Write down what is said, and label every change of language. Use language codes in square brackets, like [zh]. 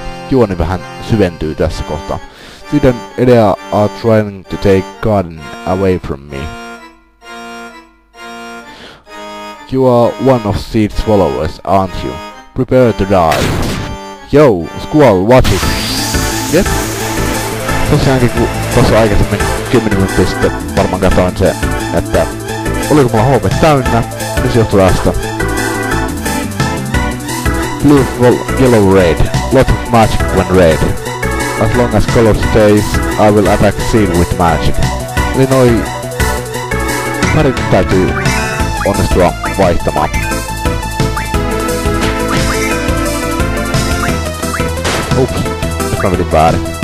[fi] Juoni vähän syventyy tässä kohtaa. Sitten [en] Edea are trying to take garden away from me. You are one of Seed's followers, aren't you? Prepare to die. Yo, Squall, watch it. Yep. [fi] Tosiaankin kun tossa aikaisemmin 10 minuuttia sitten varmaan katsoin se, että oliko mulla HP täynnä, niin se johtui tästä. [en] Blue, yellow, red. Lot of magic when red. As long as color stays, I will attack Seed with magic. [fi] Eli noi parit täytyy onnistua vaihtamaan. Ups, nyt mä vedin väärin.